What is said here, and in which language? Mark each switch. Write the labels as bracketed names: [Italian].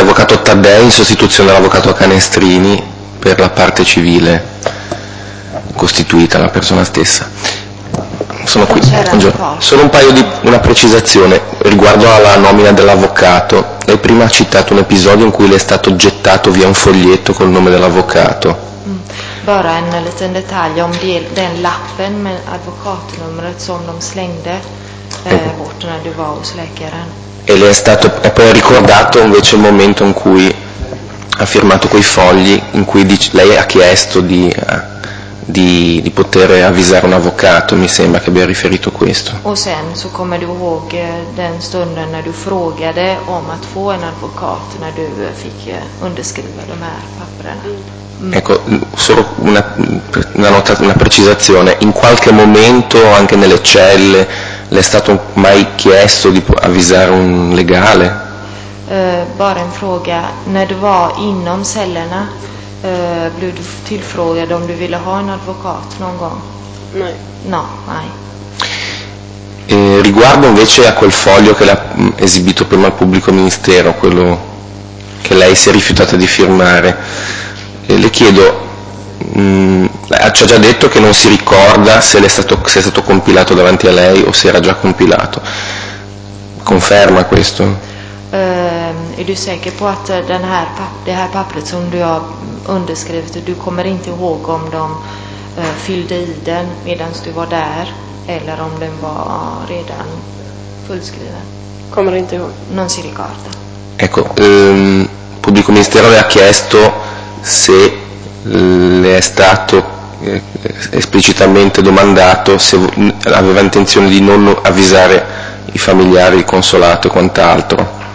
[Italian] Avvocato Taddei in sostituzione dell'avvocato Canestrini per la parte civile costituita, la persona stessa. Sono qui. Buongiorno. Solo un paio di una precisazione riguardo alla nomina dell'avvocato. Lei prima ha citato un episodio in cui le è stato gettato via un foglietto col nome dell'avvocato. [Swedish] Bara en liten detalj om den lappen med advokatnumret som de slängde. Bort när du var hos läkaren. [Italian] E le è stato poi ricordato invece il momento in cui ha firmato quei fogli in cui lei ha chiesto di poter avvisare un avvocato, mi sembra che abbia riferito questo. [Swedish] O sen så kommer du ihåg den stunden när du frågade om att få en advokat när du fick underskriva de här papperna. [Italian] Ecco, solo una nota, una precisazione. In qualche momento anche nelle celle le è stato mai chiesto di avvisare un legale? [Swedish] Bara en fråga. När du var inom cellerna blev du tillfrågad om du ville ha en advokat någon gång? Nej. [Italian] No, mai. Riguardo invece a quel foglio che l'ha esibito prima al pubblico ministero, quello che lei si è rifiutata di firmare, le chiedo, ci ha già detto che non si ricorda se è stato compilato davanti a lei o se era già compilato. Conferma questo? [Swedish] Är du säker på att det här pappret som du har underskrivit, du kommer inte ihåg om de fyllde i den medan du var där eller om den var redan fullskriven? Kommer inte ihåg. [Italian] Non si ricorda. Ecco, pubblico ministero le ha chiesto se le è stato esplicitamente domandato se aveva intenzione di non avvisare i familiari, il consolato e quant'altro.